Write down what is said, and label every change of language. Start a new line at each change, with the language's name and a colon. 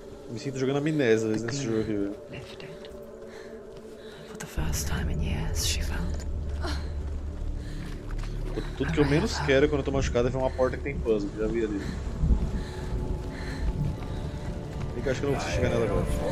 Portuguese: Me sinto jogando amnésia nesse jogo aqui, velho.
English: For the first time in years, she felt...
Portuguese: Tudo que eu menos quero quando eu tô machucado é ver uma porta que tem puzzle, que já vi ali. Vem que eu acho que eu não preciso chegar nela agora.